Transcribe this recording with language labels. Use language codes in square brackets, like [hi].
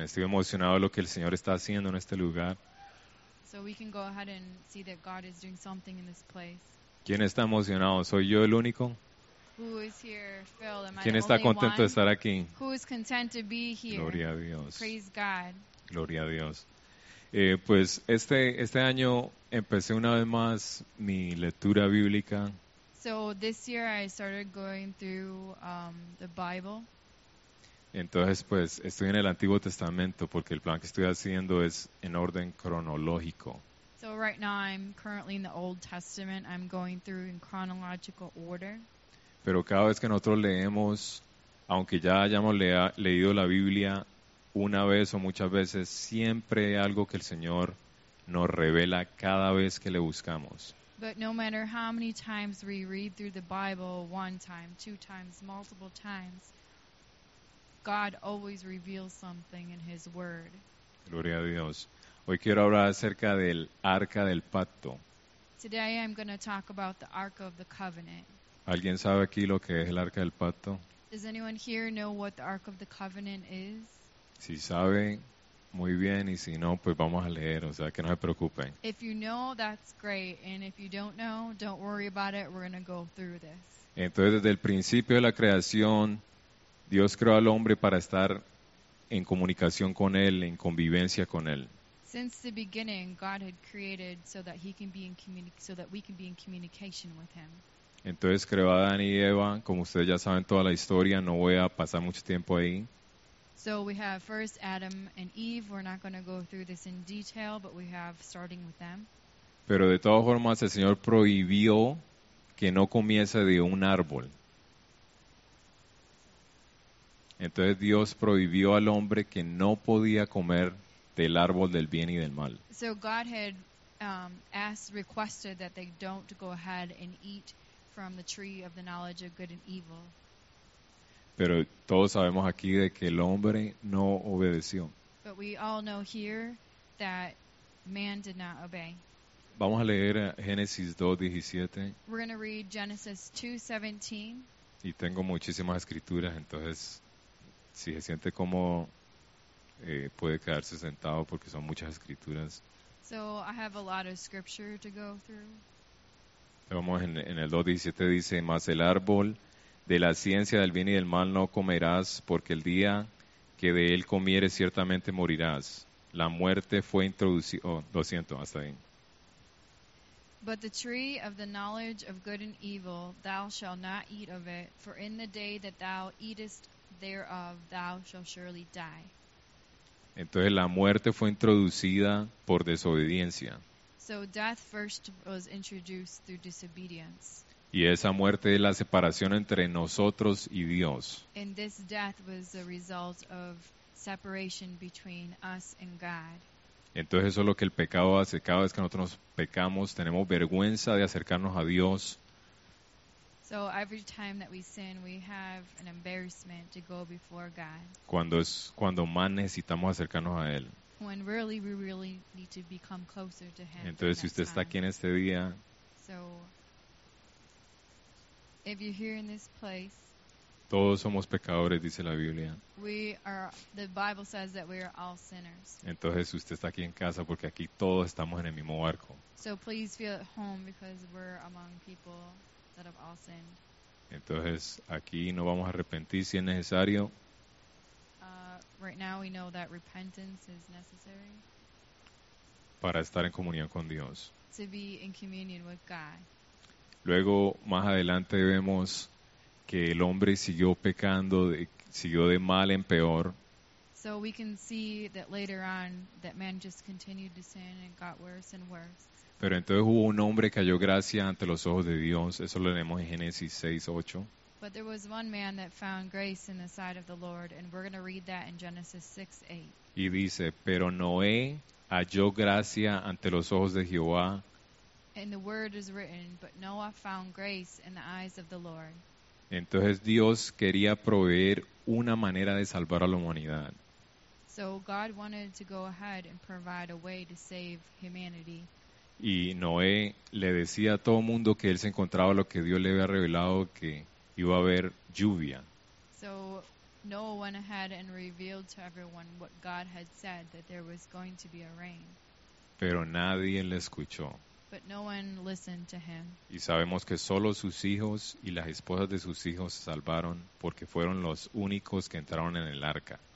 [es] Estoy emocionado de lo que el Señor está haciendo en este lugar. [en] So we can go ahead and see that God is doing something in this place. [es] ¿Quién está emocionado? ¿Soy yo el único? [en] Who is here, Phil? Am [es] ¿quién [en] I [es] está contento De estar aquí? [en] Who is content to be here? [es] Gloria a Dios. [en] Praise God. [es] Gloria a Dios. Pues este año empecé una vez más mi lectura bíblica. [en] So this year I started going through the Bible. [es] Entonces pues estoy en el Antiguo Testamento porque el plan que estoy haciendo es en orden cronológico. [en] So right now I'm currently in the Old Testament. I'm going through in chronological order. [es] Pero cada vez que nosotros leemos, aunque ya hayamos leído la Biblia una vez o muchas veces, siempre hay algo que el Señor nos revela cada vez que le buscamos. [en] But no matter how many times we read through the Bible, one time, two times, multiple times, God always reveals something in his word. [es] Gloria a Dios. Hoy quiero hablar acerca del Arca del Pacto. [en] Today I'm going to talk about the Ark of the Covenant. [es] ¿Alguien sabe aquí lo que es el Arca del Pacto? [en] Does anyone here know what the Ark of the Covenant is? [es] Si saben, muy bien, y si no, pues vamos a leer, o sea, que no se preocupen. [en] If you know, that's great, and if you don't know, don't worry about it, we're going to go through this. [es] Entonces, desde el principio de la creación, Dios creó al hombre para estar en comunicación con él, en convivencia con él. [en] Since the beginning, God had created so that he can be in so that we can be in communication with him. [es] Entonces, creó a Adán y Eva, como ustedes ya saben toda la historia, no voy a pasar mucho tiempo ahí. [en] So we have first Adam and Eve. We're not going to go through this in detail, but we have starting with them. [es] Pero de todas formas, el Señor prohibió que no comiese de un árbol. Entonces Dios prohibió al hombre que no podía comer del árbol del bien y del mal. [en] So God had requested that they don't go ahead and eat from the tree of the knowledge of good and evil. [es] Pero todos sabemos aquí de que el hombre no obedeció. [en] But we all know here that man did not obey. [es] Vamos a leer Génesis 2:17. [en] We're going to read Genesis 2:17. [es] Y tengo muchísimas escrituras, entonces si se siente como puede quedarse sentado porque son muchas escrituras. [en] So I have a lot of scripture to go through. [es] Vamos en el 2:17 dice: Mas el árbol de la ciencia del bien y del mal no comerás, porque el día que de él comieres ciertamente morirás. La muerte fue introducida. Oh, lo siento, hasta ahí. [en] But the tree of the knowledge of good and evil, thou shalt not eat of it, for in the day that thou eatest thereof, thou shalt surely die. [es] Entonces la muerte fue introducida por desobediencia. [en] So death first was introduced through disobedience. [es] Y esa muerte es la separación entre nosotros y Dios. [en] And this death was the result of separation between us and God. [es] Entonces eso es lo que el pecado hace. Cada vez que nosotros nos pecamos, tenemos vergüenza de acercarnos a Dios. [en] So every time that we sin, we have an embarrassment to go before God. [es] Cuando más necesitamos acercarnos a Él. [en] When really we really need to become closer to Him. [es] Entonces si usted está aquí en este día. [en] So if you're here in this place. [es] Todos somos pecadores, dice la Biblia. [en] The Bible says that we are all sinners. [es] Entonces usted está aquí en casa porque aquí todos estamos en el mismo barco. [en] So please feel at home because we're among people that have all sinned. [es] Entonces aquí no vamos a arrepentir si es necesario. [en] Right now we know that repentance is necessary. [es] Para estar en comunión con Dios. [en] To be in communion with God. [es] Luego más adelante vemos que el hombre siguió pecando, siguió de mal en peor. [en] So we can see that later on that man just continued to sin and got worse and worse. [es] Pero entonces hubo un hombre que halló gracia ante los ojos de Dios. Eso lo leemos en Génesis 6:8. [en] But there was one man that found grace in the sight of the Lord, and we're going to read that in Genesis 6:8. [es] Y dice, pero Noé halló gracia ante los ojos de Jehová. [en] And the word is written, but Noah found grace in the eyes of the Lord. [es] Entonces Dios quería proveer una manera de salvar a la humanidad. [en] So God wanted to go ahead and provide a way to save humanity. [es] Y Noé le decía a todo mundo que él se encontraba lo que Dios le había revelado, que iba a haber lluvia. [en] So Noah went ahead and revealed to everyone what God had said, that there was going to be a rain. [es] Pero nadie le escuchó. [en] But no one listened to him. [es] Y sabemos que solo sus hijos y las esposas de sus hijos se salvaron porque fueron los únicos que entraron en el arca.